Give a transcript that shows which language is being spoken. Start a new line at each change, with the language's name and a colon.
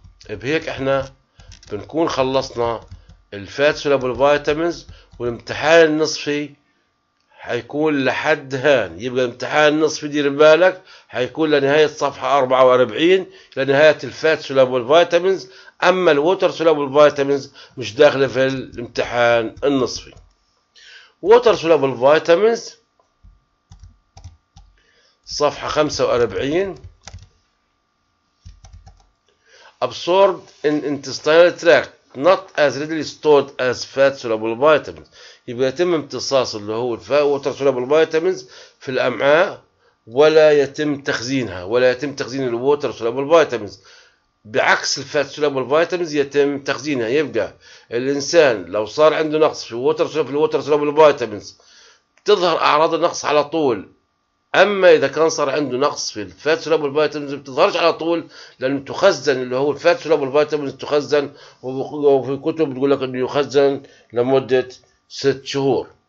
Arabic: بهيك احنا بنكون خلصنا الفات سولابل فيتامينز، والامتحان النصفي حيكون لحد هان. يبقى الامتحان النصفي دير بالك حيكون لنهايه صفحه 44 لنهايه الفات سولابل فيتامينز، اما الووتر سولابل فيتامينز مش داخله في الامتحان النصفي.
English: Water soluble vitamins صفحه 45 absorbed in intestinal tract not as readily stored as fat soluble vitamins.
Arabic: يبقى يتم امتصاص اللي هو الووتر سولابل فيتامينز في الامعاء ولا يتم تخزينها، ولا يتم تخزين الووتر سولابل فيتامينز بعكس الفات سولابل فيتامينز يتم تخزينها. يبقى الانسان لو صار عنده نقص في الووتر سولابل فيتامينز تظهر اعراض النقص على طول، اما اذا كان صار عنده نقص في الفات سولابل فيتامينز ما بتظهرش على طول، لانه تخزن اللي هو الفات سولابل فيتامينز تخزن، وفي كتب بتقول لك انه يخزن لمده 6 شهور.